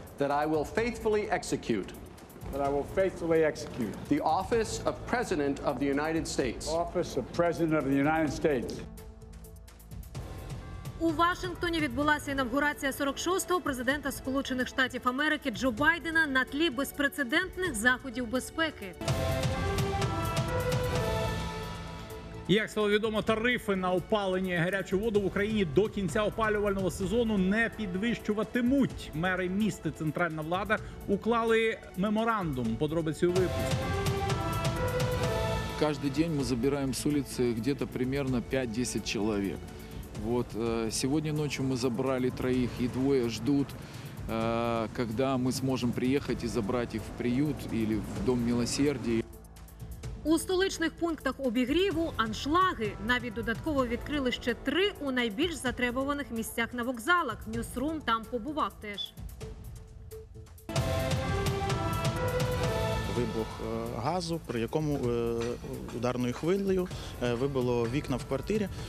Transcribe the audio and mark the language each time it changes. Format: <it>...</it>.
<en>that I will faithfully execute the office of President of the United States.</en> <uk>У Вашингтоні відбулася інавгурація 46-го президента Сполучених Штатів Америки Джо Байдена на тлі безпрецедентних заходів безпеки. Як стало відомо, тарифи на опалення і гарячу воду в Україні до кінця опалювального сезону не підвищуватимуть. Мери міст і центральна влада уклали меморандум. Подробиці у випуску. Кожен день ми забираємо з вулиці</uk> <ru>где-то примерно</ru> <uk>5-10 чоловік.</uk> <ru>Вот сегодня ночью мы забрали троих, и двое ждут, когда мы сможем приехать и забрать их в приют или в дом милосердия.</ru> <uk>У столичних пунктах обігріву – аншлаги. Навіть додатково відкрили ще три у найбільш затребованих місцях на вокзалах. Ньюсрум там побував теж. Вибух газу, при якому ударною хвилею вибило вікна в квартирі.</uk>